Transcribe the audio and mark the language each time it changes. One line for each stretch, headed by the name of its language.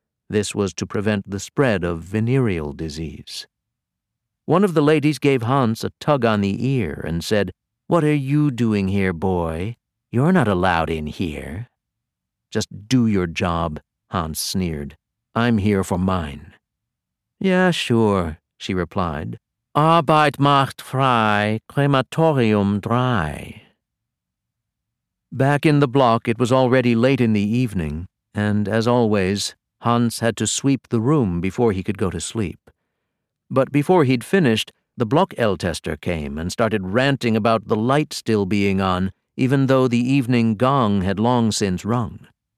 English: This was to prevent the spread of venereal disease. One of the ladies gave Hans a tug on the ear and said, "What are you doing here, boy? You're not allowed in here." "Just do your job," Hans sneered. "I'm here for mine." "Yeah, sure," she replied.
German: "Arbeit macht frei, Krematorium drei."
English: Back in the block, it was already late in the evening, and as always, Hans had to sweep the room before he could go to sleep. But before he'd finished, the Blockältester came and started ranting about the light still being on, even though the evening gong had long since rung.